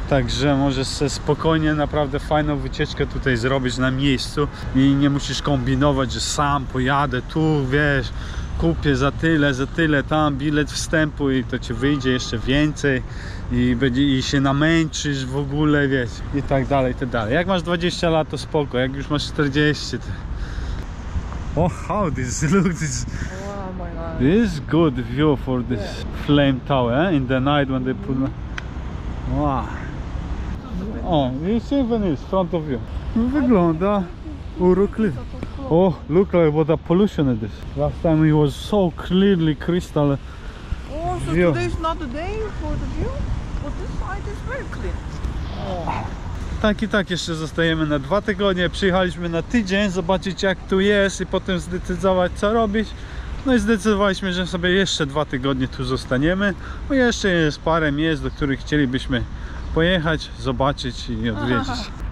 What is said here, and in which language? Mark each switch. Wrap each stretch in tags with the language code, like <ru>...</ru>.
<pl>Także możesz sobie spokojnie naprawdę fajną wycieczkę tutaj zrobić na miejscu i nie musisz kombinować, że sam pojadę tu, wiesz, kupię za tyle tam bilet wstępu i to ci wyjdzie jeszcze więcej i będzie i się namęczysz w ogóle, wiecie, i tak dalej, i tak dalej. Jak masz 20 lat, to spoko, jak już masz 40, to...</pl> <en>Oh, how this looks, this... Wow, my God. This is good view for this flame tower, eh? In the night when they put... Wow. Oh, you see Venice, front of you.</en> <pl>Wygląda urokliwie.</pl> <en>Oh, look like what a pollution it is. Last time it was so clearly crystal. Oh, so view. Today is not the day for the view? But this side is very clear. Oh.</en> <pl>Tak i tak jeszcze zostajemy na 2 tygodnie. Przyjechaliśmy na tydzień zobaczyć jak tu jest i potem zdecydować co robić. No i zdecydowaliśmy, że sobie jeszcze 2 tygodnie tu zostaniemy. Bo jeszcze jest parę miejsc, do których chcielibyśmy pojechać, zobaczyć i odwiedzić.</pl>